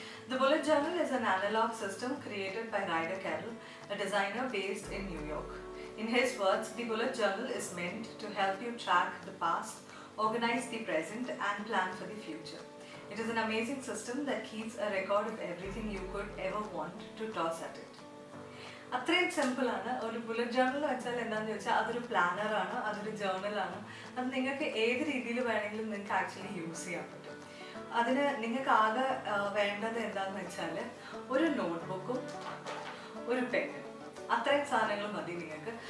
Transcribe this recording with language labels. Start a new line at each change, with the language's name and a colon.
English: The bullet journal is an analog system created by Ryder Carroll, a designer based in New York. In his words, the bullet journal is meant to help you track the past, organise the present and plan for the future. It is an amazing system that keeps a record of everything you could ever want to toss at it.
Malayalam: അത്രയും simple ആണ്. ഒരു bullet journal വെച്ചാൽ എന്താണെന്ന് ചോദിച്ചാൽ അതൊരു പ്ലാനറാണ്, അതൊരു ജേർണലാണ്. അത് നിങ്ങൾക്ക് ഏത് രീതിയിൽ വേണമെങ്കിലും നിങ്ങൾക്ക് ആക്ച്വലി യൂസ് ചെയ്യാൻ പറ്റും. അതിന് നിങ്ങൾക്ക് ആകെ വേണ്ടത് എന്താണെന്ന് വെച്ചാൽ ഒരു നോട്ട്ബുക്കും ഒരു പെന്നും, അത്രയും സാധനങ്ങൾ മതി നിങ്ങൾക്ക്.